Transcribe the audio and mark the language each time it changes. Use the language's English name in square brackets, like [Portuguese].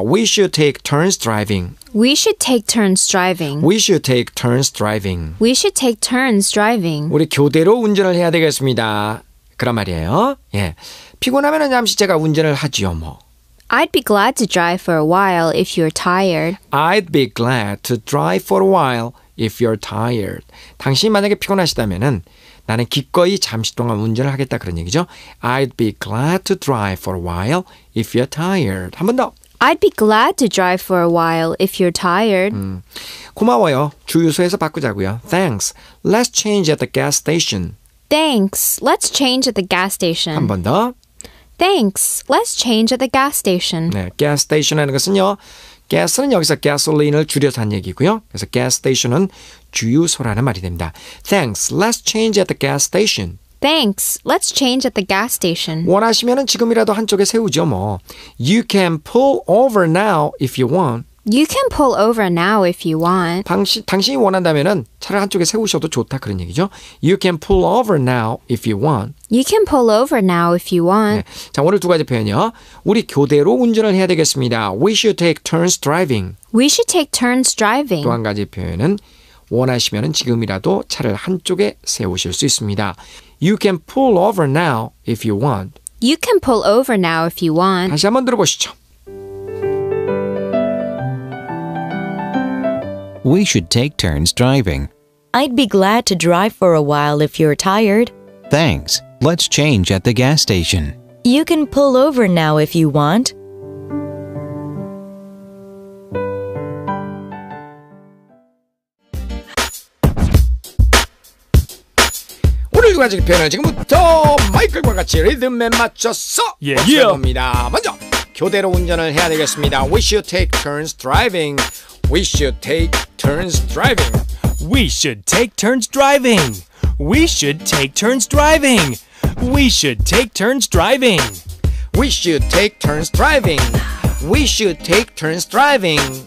[English] We should take turns driving. We should take turns driving. We should take turns driving. We should take turns driving. [Korean] 우리 교대로 운전을 해야 되겠습니다. 그런 말이에요. 예. 피곤하면은 잠시 제가 운전을 하지요, 뭐. [English] I'd be glad to drive for a while if you're tired. I'd be glad to drive for a while if you're tired. [Korean] 당신이 만약에 피곤하시다면은 나는 기꺼이 잠시 동안 운전을 하겠다 그런 얘기죠. [English] I'd be glad to drive for a while if you're tired. [Korean] 한 번 더. [English] I'd be glad to drive for a while if you're tired. [Korean] 고마워요. 주유소에서 바꾸자고요. [English] Thanks. Let's change at the gas station. Thanks. Let's change at the gas station. 한 번 더. Thanks. Let's change at the gas station. [Korean] 네, gas station이라는 것은요. gas는 여기서 gasoline을 줄여서 한 얘기고요. 그래서 gas station은 주유소라는 말이 됩니다. [English] Thanks. Let's change at the gas station. Thanks. Let's change at the gas station. [Korean] 원하시면은 지금이라도 한쪽에 세우죠, 뭐. [English] You can pull over now if you want. You can pull over now if you want. [Korean] 당신이 원한다면은 차를 한쪽에 세우셔도 좋다 그런 얘기죠. [English] You can pull over now if you want. You can pull over now if you want. [Korean] 네. 자, 오늘 두 가지 표현이요. 우리 교대로 운전을 해야 되겠습니다. [English] We should take turns driving. We should take turns driving. [Korean] 또 한 가지 표현은 원하시면은 지금이라도 차를 한쪽에 세우실 수 있습니다. [English] You can pull over now if you want. You can pull over now if you want. [Korean] 다시 한번 들어보시죠. [English] We should take turns driving. I'd be glad to drive for a while if you're tired. Thanks. Let's change at the gas station. You can pull over now if you want. [Korean] 오늘 두 가지 표현을 지금부터 마이클과 같이 리듬에 맞춰서 yeah, 맞춰봅니다. Yeah. 먼저 교대로 운전을 해야 되겠습니다. [English] We should take turns driving. We should take turns driving. We should take turns driving. We should take turns driving. We should take turns driving. We should take turns driving. We should take turns driving.